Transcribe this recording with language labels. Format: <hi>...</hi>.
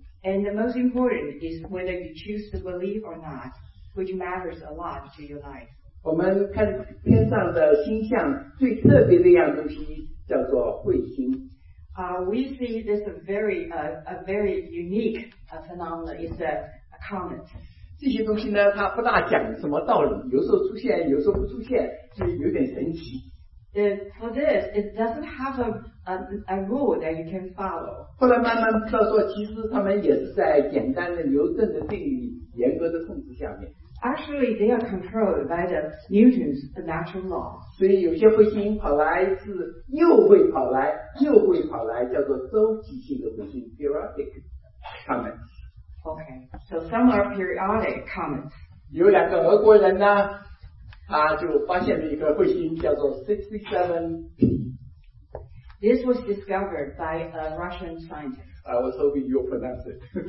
<en>And the most important is whether you choose to believe or not, which matters a lot to your life.</en> <zh>我们看天上的星象，最特别的一样东西叫做彗星。</zh> <en>We see this a very unique phenomenon is a comet.</en> <zh>这些东西呢，它不大讲什么道理，有时候出现，有时候不出现，就有点神奇。</zh> <en>For this, it doesn't have a rule that you can follow.</en> <zh>后来慢慢知道说，其实他们也是在简单的牛顿的定律严格的控制下面。</zh> <en>Actually, they are controlled by the Newton's natural law.</en> <zh>所以有些彗星跑来是又会跑来又会跑来，叫做周期性的彗星</zh> <en>periodic comets. Okay, so some are periodic comets.</en> <zh>有两个俄国人呢，他就发现了一个彗星叫做 67P.</zh> <en>This was discovered by a Russian scientist. I was hoping you'll pronounce it.</en>